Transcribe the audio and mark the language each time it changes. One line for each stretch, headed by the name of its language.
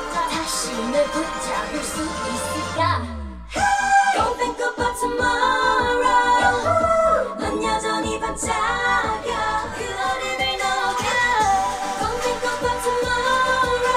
Korean: 다시 내 붙잡을 수 있을까.
English: Don't think about tomorrow.
Korean: 넌 여전히 반짝여 그 어림을 녹여.
English: Don't think about tomorrow.